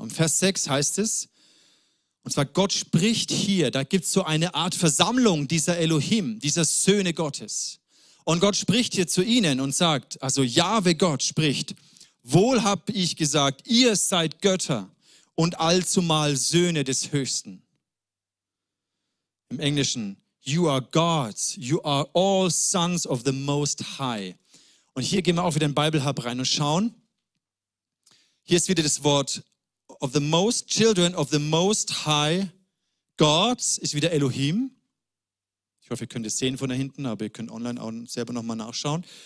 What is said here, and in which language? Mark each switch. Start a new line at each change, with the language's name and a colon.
German: Und Vers 6 heißt es, und zwar Gott spricht hier, da gibt es so eine Art Versammlung dieser Elohim, dieser Söhne Gottes. Und Gott spricht hier zu ihnen und sagt, also Jahwe Gott spricht, wohl hab ich gesagt, ihr seid Götter und allzumal Söhne des Höchsten. Im Englischen,
English: you are gods, you are all sons of the Most High.
German: Und hier gehen wir auch wieder in den Bible-Hub rein und schauen. Hier ist wieder das Wort
English: of the most children of the most high gods,
German: ist wieder Elohim. Ich hoffe, ihr könnt es sehen von da hinten, aber ihr könnt online auch selber nochmal nachschauen.